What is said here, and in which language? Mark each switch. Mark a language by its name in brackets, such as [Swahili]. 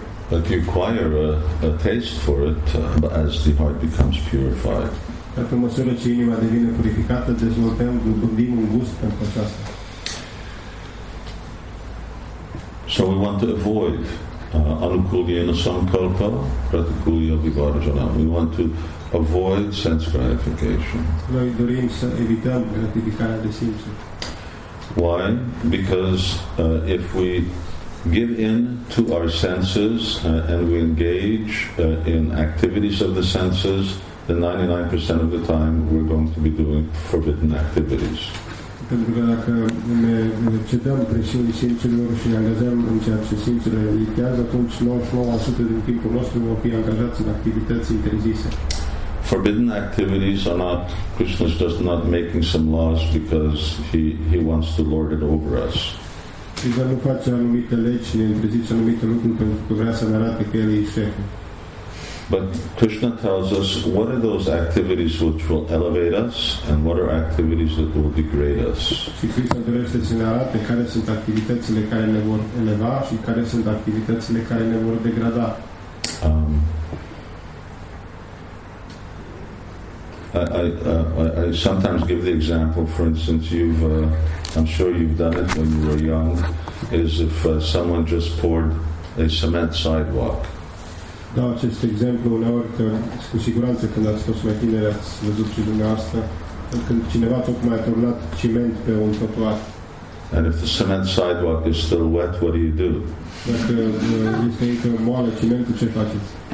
[English] But you acquire a taste for it as the heart becomes purified. [Romanian] Pe măsură ce inima devine purificată, dezvoltăm, dobândim un gust pentru aceasta. [English] So we want to avoid [Sanskrit] anukulyena sankalpa, pratikulya vibharjana. [English] We want to avoid sense gratification. [Romanian] Noi dorim să evităm gratificarea de simțuri. Why? [English] Because if we give in to our senses and we engage in activities of the senses, then 99% of the time we're going to be doing forbidden activities. [Romanian] Pentru că dacă ne cedăm presiunii simțurilor și ne angajăm în ceea ce simțurile dictează, atunci 99% din timpul nostru vom fi angajați în activități interzise. [English] Forbidden activities are not, Krishna is just not making some laws because he wants to lord it over us. [Romanian] Krishna nu face anumite legi, ne interzice anumite lucruri pentru că vrea să ne arate că el e șeful. [English] But Krishna tells us, what are those activities which will elevate us and what are activities that will degrade us? [Romanian] Și Krishna dorește să ne arate care sunt activitățile care ne vor eleva și care sunt activitățile care ne vor degrada. [English] I sometimes give the example, for instance, I'm sure you've done it when you were young, is if someone just poured a cement sidewalk. [Romanian] Da, acest exemplu uneori că, cu siguranță când ați fost mai tineri ați văzut și dumneavoastră când cineva tocmai a turnat ciment pe un trotuar. [English] And if the cement sidewalk is still wet, what do you do? [Romanian] Dacă este încă moale cimentul, ce faceți?